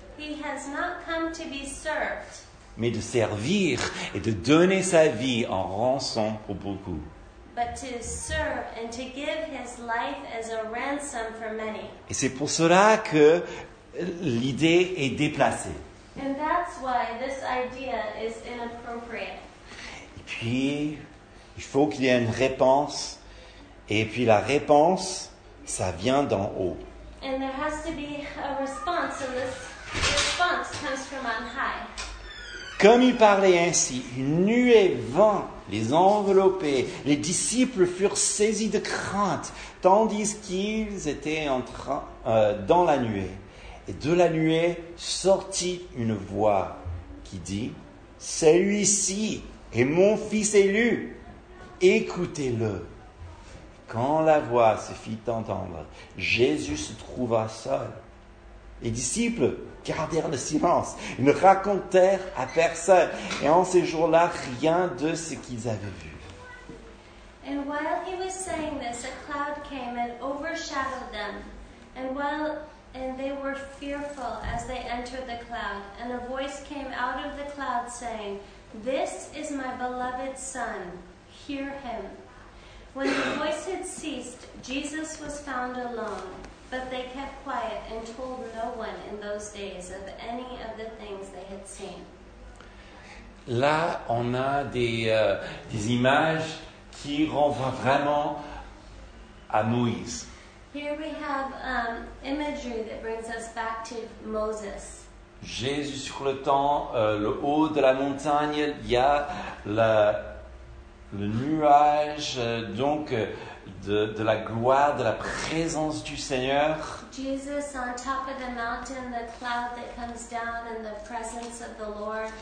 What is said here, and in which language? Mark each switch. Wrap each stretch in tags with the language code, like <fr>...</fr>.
<en>He has not come to be served.</en> <fr>Mais de servir et de donner sa vie en rançon pour beaucoup.</fr> <en>But to serve and to give his life as a ransom for many.</en> <fr>Et c'est pour cela que l'idée est déplacée.</fr> <en>And that's why this idea is inappropriate.</en> <fr>Et puis, il faut qu'il y ait une réponse. Et puis la réponse, ça vient d'en haut.</fr> <en>And there has to be a response. So this response comes from on high.</en> <fr>Comme il parlait ainsi, une nuée vint les envelopper. Les disciples furent saisis de crainte, tandis qu'ils étaient en train, dans la nuée. Et de la nuée sortit une voix qui dit, « Celui-ci est mon fils élu, écoutez-le. » Quand la voix se fit entendre, Jésus se trouva seul. Les disciples gardèrent le silence, ils ne racontèrent à personne, et en ces jours-là, rien de ce qu'ils avaient vu.</fr> <en>And while he was saying this, a cloud came and overshadowed them, and they were fearful as they entered the cloud, and a voice came out of the cloud saying, "This is my beloved son, hear him." When the voice had ceased, Jesus was found alone. But they kept quiet and told no one in those days of any of the things they had seen.</en> <fr>Là, on a des images qui renvoient vraiment à Moïse.</fr> <en>Here we have imagery that brings us back to Moses.</en> <fr>Jésus sur le temps, le haut de la montagne, il y a le nuage, donc. De la gloire, de la présence du Seigneur.</fr> <en>Jesus on top of the mountain, the cloud that comes down in the presence of the Lord.</en>